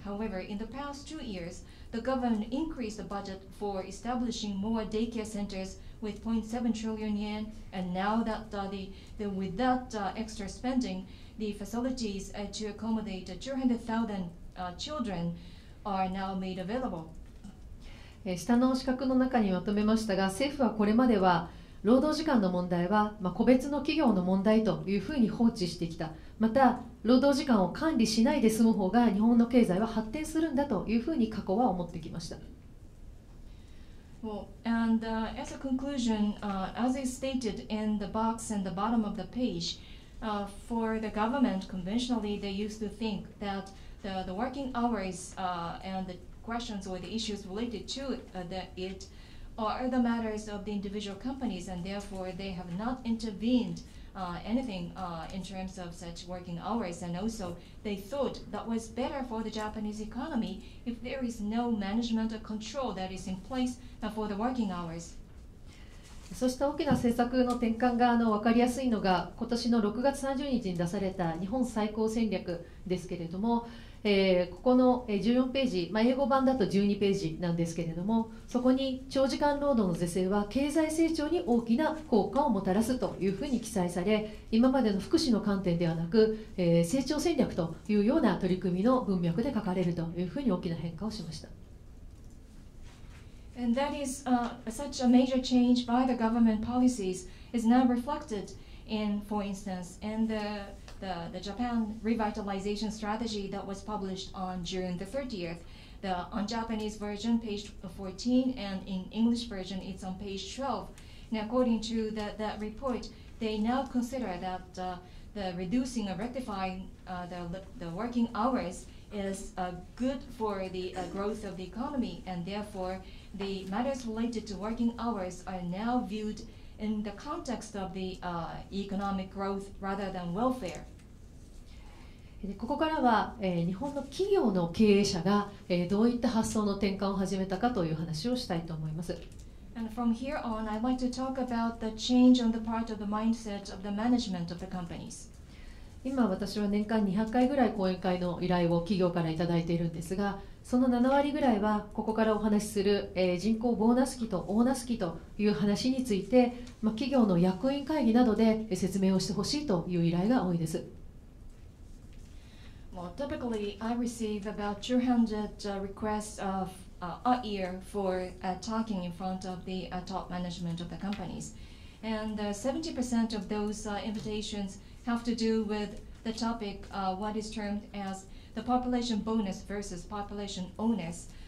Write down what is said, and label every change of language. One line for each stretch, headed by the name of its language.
English: However, in the past 2 years, the government increased the budget for establishing more daycare centers. With 0.7 trillion yen, and now that with that extra spending, the facilities to accommodate 200,000 children are now made available.
Japanese: 下の資格の中にまとめましたが、政府はこれまでは労働時間の問題は個別の企業の問題というふうに放置してきた。また労働時間を管理しないで済む方が日本の経済は発展するんだというふうに過去は思ってきました。
English: Well, and as a conclusion, as is stated in the box in the bottom of the page, for the government, conventionally, they used to think that the working hours and the questions or the issues related to it are the matters of the individual companies, and therefore they have not intervened anything in terms of such working hours. And also, they thought that was better for the Japanese economy if there is no management or control that is in place. For the working hours.
Japanese: そうした大きな政策の転換が分かりやすいのが、今年の6月30日に出された日本最高戦略ですけれども、ここの14ページ、英語版だと12ページなんですけれども、そこに長時間労働の是正は経済成長に大きな効果をもたらすというふうに記載され、今までの福祉の観点ではなく、成長戦略というような取り組みの文脈で書かれるというふうに大きな変化をしました。
English: And that is such a major change by the government policies is now reflected in, for instance, in the Japan revitalization strategy that was published on June the 30th. The, on Japanese version, page 14, and in English version, it's on page 12. Now, according to that report, they now consider that the reducing or rectifying the working hours is good for the growth of the economy, and therefore, the matters related to working hours are now viewed in the context of the economic growth rather than welfare.
Japanese: でここからは、日本の企業の経営者が、どういった発想の転換を始めたかという話をしたいと思います。
English: And from here on, I'd like to talk about the change on the part of the mindset of the management of the companies.
Japanese: 今私は年間200回ぐらい講演会の依頼を企業からいただいているんですが、その7割ぐらいはここからお話しする、人口ボーナス期とオーナス期という話について、ま、企業の役員会議などで説明をしてほしいという依頼が多いです。
English: Well, typically, I receive about 200 requests of, a year for talking in front of the top management of the companies. And 70% of those invitations have to do with the topic, what is termed as the population bonus versus population onus.